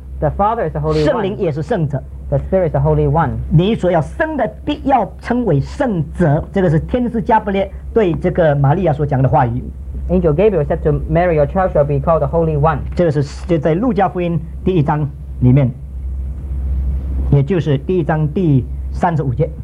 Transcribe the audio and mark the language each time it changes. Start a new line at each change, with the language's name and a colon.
English: The Father is the Holy One.
Chinese: 圣灵也是圣者
English: The Spirit is the Holy One.
Chinese: 你所要生的必要称为圣者，这个是天使加布列对这个玛利亚所讲的话语。
English: Angel Gabriel said to Mary, your child shall be called the Holy One.
Chinese: 这个是就在路加福音第一章里面，也就是第一章第三十五节。